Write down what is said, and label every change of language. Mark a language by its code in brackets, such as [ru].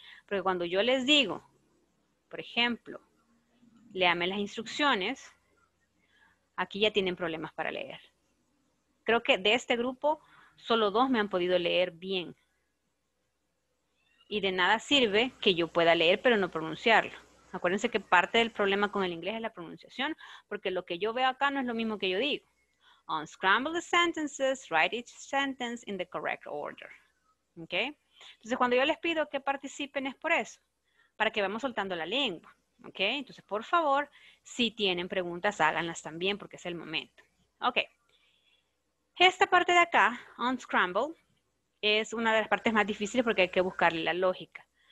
[es] Porque cuando yo les digo, por ejemplo, léame las instrucciones, aquí ya tienen problemas para leer. Creo que de este grupo, solo dos me han podido leer bien. Y de nada sirve que yo pueda leer, pero no pronunciarlo. Acuérdense que parte del problema con el inglés es la pronunciación, porque lo que yo veo acá no es lo mismo que yo digo. [en] Unscramble the sentences, write each sentence in the correct order. ¿Okay? [es] Entonces, cuando yo les pido que participen es por eso, para que vamos soltando la lengua. ¿Okay? Entonces, por favor, si tienen preguntas, háganlas también, porque es el momento. Ok. Esta parte de acá, unscramble, es una de las partes más difíciles porque hay que buscarle la lógica.